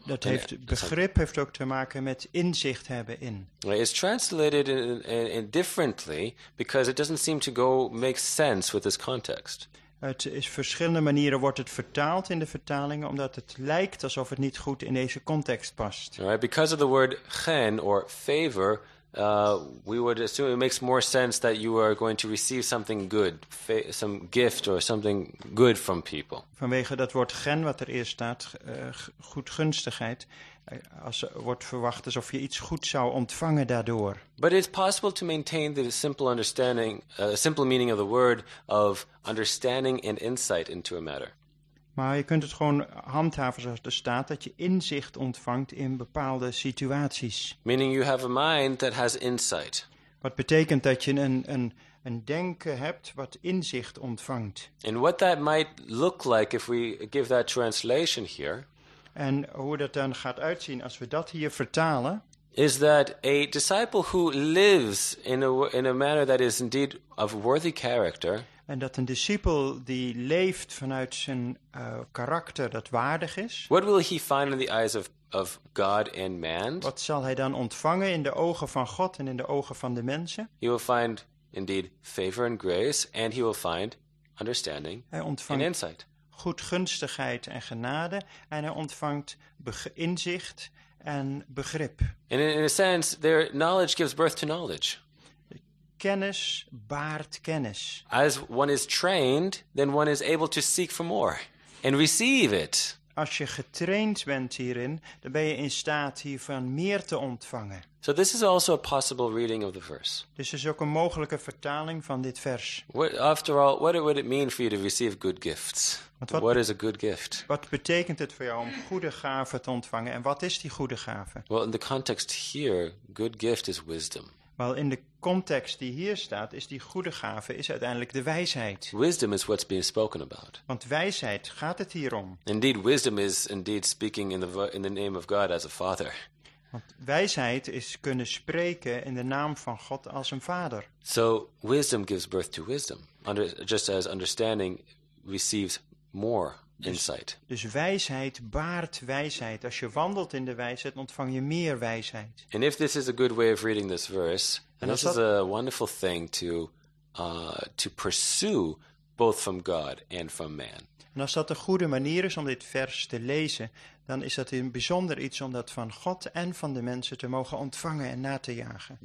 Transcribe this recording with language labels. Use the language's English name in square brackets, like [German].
[Dutch] Dat heeft begrip heeft ook te maken met inzicht hebben in. [English] It's translated in differently because it doesn't seem to go make sense with this context. [Dutch] Het is verschillende manieren wordt het vertaald in de vertalingen omdat het lijkt alsof het niet goed in deze context past. [English] Right, because of the word gen or favor, we would assume it makes more sense that you are going to receive something good, some gift or something good from people. [Dutch] Vanwege dat woord gen wat er eerst staat, goedgunstigheid, als wordt verwacht alsof je iets goed zou ontvangen daardoor. [English] But it's possible to maintain the simple understanding, simple meaning of the word of understanding and insight into a matter. [Dutch] Maar je kunt het gewoon handhaven zoals er staat dat je inzicht ontvangt in bepaalde situaties. [English] Meaning you have a mind that has insight. [Dutch] Wat betekent dat je een denken hebt wat inzicht ontvangt. [English] And what that might look like if we give that translation here. [Dutch] En hoe dat dan gaat uitzien als we dat hier vertalen. [English] Is that a disciple who lives in a manner that is indeed of worthy character. [Dutch] En dat een discipel die leeft vanuit zijn karakter dat waardig is. [English] What will he find in the eyes of God and man? [Dutch] Wat zal hij dan ontvangen in de ogen van God en in de ogen van de mensen? [English] He will find indeed favor and grace, and he will find understanding and insight. [Dutch] Goedgunstigheid en genade, en hij ontvangt inzicht en begrip. [English] And in a sense, their knowledge gives birth to knowledge. [Dutch] Kennis baart kennis. [English] As one is trained, then one is able to seek for more and receive it. [Dutch] Als je getraind bent hierin, dan ben je in staat hiervan meer te ontvangen. [English] So this is also a possible reading of the verse. [Dutch] Dus is ook een mogelijke vertaling van dit vers. [English] After all, what would it mean for you to receive good gifts? What is a good gift? [Dutch] Wat betekent het voor jou om goede gaven te ontvangen? En wat is die goede gave? [English] Well, in the context here, good gift is wisdom. [Dutch] Wel, in de context die hier staat, is die goede gave is uiteindelijk de wijsheid. [English] Wisdom is what's being spoken about. [Dutch] Want wijsheid gaat het hier om. [English] Indeed, wisdom is indeed speaking in the name of God as a father. [Dutch] Want wijsheid is kunnen spreken in de naam van God als een vader. [English] So wisdom gives birth to wisdom, just as understanding receives more insight. [Dutch] Dus wijsheid baart wijsheid. Als je wandelt in de wijsheid, ontvang je meer wijsheid. [English] And if this is a good way of reading this verse, and this is a wonderful thing to pursue both from God and from man. [Dutch] En als dat een goede manier is om dit vers te lezen, dan is dat een bijzonder iets om dat van God en van de mensen te mogen ontvangen en na te jagen.